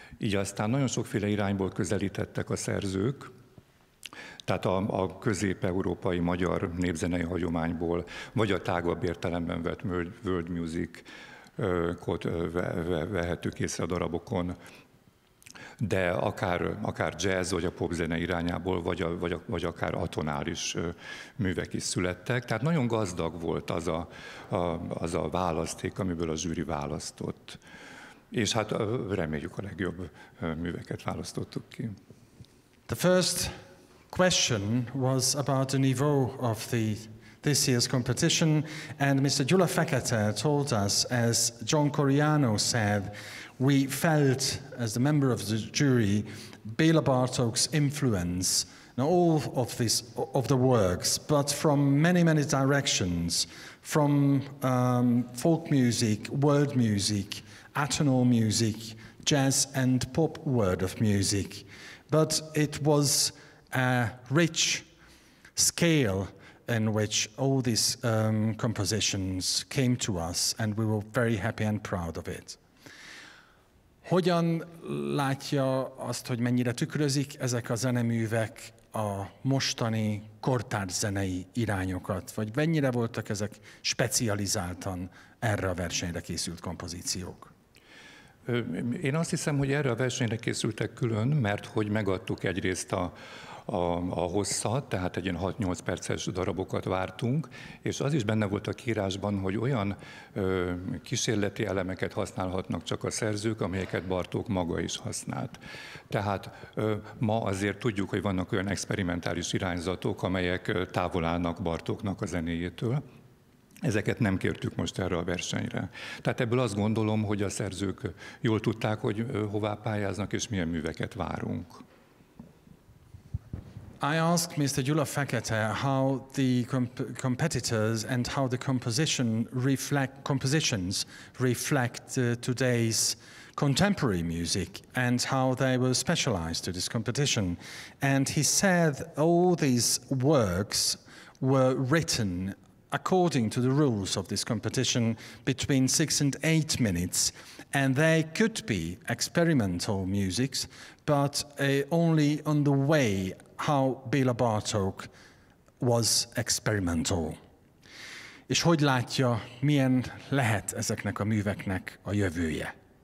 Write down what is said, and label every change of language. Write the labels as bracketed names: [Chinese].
[Hungarian] Így aztán nagyon sokféle irányból közelítettek a szerzők, tehát a közép-európai magyar népzenei hagyományból, vagy a tágabb értelemben vett world music-ot vehetők észre a darabokon, de akár jazz, vagy a popzene irányából, vagy akár atonális művek is születtek. Tehát nagyon gazdag volt az a választék, amiből a zsűri választott. És hát reméljük a legjobb műveket választottuk ki. [English] The first question was about the niveau of this year's competition, and Mr. Gyula Fekete told us, as John Corigliano said, we felt, as the member of the jury, Béla Bartók's influence in all of this of the works, but from many, many directions, from folk music, world music, atonal music, jazz and pop world of music. But it was a rich scale in which all these compositions came to us, and we were very happy and proud of it. [Hungarian] Hogyan látja azt, hogy mennyire tükrözik ezek a zeneművek a mostani kortárs zenei irányokat, vagy mennyire voltak ezek specializáltan erre a versenyre készült kompozíciók? Én azt hiszem, hogy erre a versenyre készültek külön, mert hogy megadtuk egyrészt a hosszat, tehát egy ilyen 6-8 perces darabokat vártunk, és az is benne volt a kiírásban, hogy olyan kísérleti elemeket használhatnak csak a szerzők, amelyeket Bartók maga is használt. Tehát ma azért tudjuk, hogy vannak olyan experimentális irányzatok, amelyek távol állnak Bartóknak a zenéjétől. Ezeket nem kértük most erre a versenyre. Tehát ebből azt gondolom, hogy a szerzők jól tudták, hogy hová pályáznak, és milyen műveket várunk. [English] I asked Mr. Gyula Fekete how the competitors and how the compositions reflect today's contemporary music and how they were specialized to this competition. And he said all these works were written according to the rules of this competition between 6 and 8 minutes, and they could be experimental musics, but only on the way how Béla Bartók was experimental. [Hungarian] És hogy látja, milyen lehet ezeknek a műveknek a jövője?